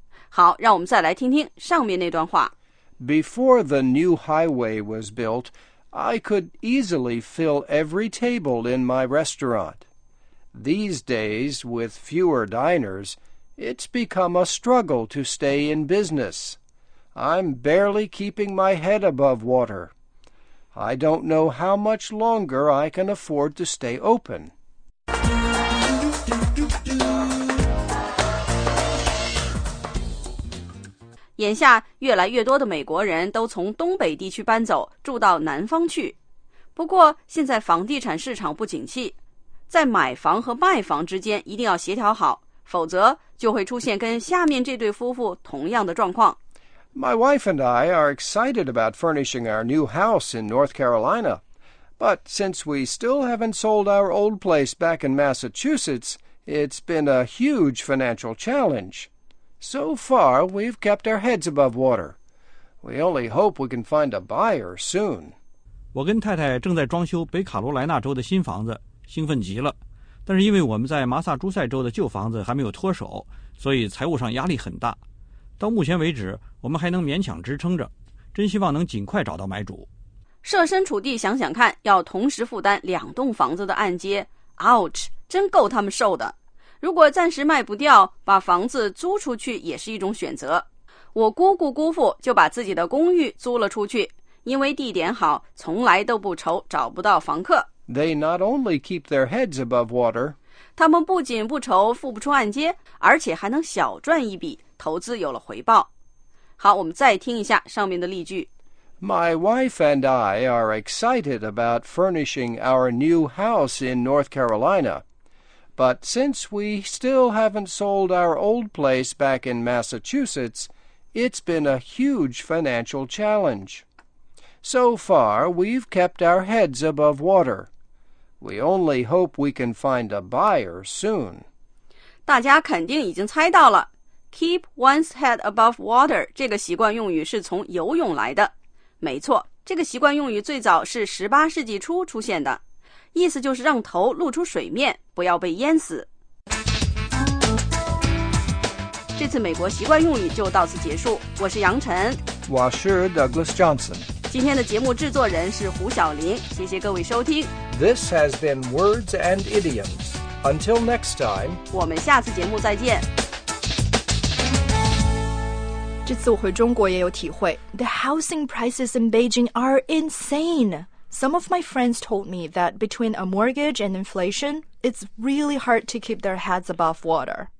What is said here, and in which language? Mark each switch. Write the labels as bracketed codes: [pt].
[zh] 好，让我们再来听听上面那段话。 [en] Before the new highway was built, I could easily fill every table in my restaurant. These days, with fewer diners, it's become a struggle to stay in business. I'm barely keeping my head above water. I don't know how much longer I can afford to stay open. [zh] 眼下越来越多的美国人都从东北地区搬走，住到南方去。不过现在房地产市场不景气，在买房和卖房之间一定要协调好，否则就会出现跟下面这对夫妇同样的状况。 [en] My wife and I are excited about furnishing our new house in North Carolina. But since we still haven't sold our old place back in Massachusetts, it's been a huge financial challenge. So far, we've kept our heads above water. We only hope we can find a buyer soon. [zh] 我跟太太正在装修北卡罗来纳州的新房子，兴奋极了。但是因为我们在马萨诸塞州的旧房子还没有脱手，所以财务上压力很大。到目前为止，我们还能勉强支撑着，真希望能尽快找到买主。设身处地想想看，要同时负担两栋房子的按揭 ，ouch， 真够他们受的。如果暂时卖不掉，把房子租出去也是一种选择。我姑姑姑父就把自己的公寓租了出去，因为地点好，从来都不愁找不到房客。 [en] They not only keep their heads above water. [zh] 他们不仅不愁付不出按揭，而且还能小赚一笔，投资有了回报。好，我们再听一下上面的例句。 [en] My wife and I are excited about furnishing our new house in North Carolina. But since we still haven't sold our old place back in Massachusetts, it's been a huge financial challenge. So far, we've kept our heads above water. We only hope we can find a buyer soon. [zh] 大家肯定已经猜到了 , [en] keep one's head above water [zh] 这个习惯用语是从游泳来的。没错，这个习惯用语最早是18世纪初出现的。意思就是让头露出水面，不要被淹死。这次美国习惯用语就到此结束，我是杨晨，我是 Douglas Johnson。今天的节目制作人是胡晓林，谢谢各位收听。 [en] This has been Words and Idioms. Until next time. [zh] 我们下次节目再见。这次我回中国也有体会， [en] The housing prices in Beijing are insane. Some of my friends told me that between a mortgage and inflation, it's really hard to keep their heads above water.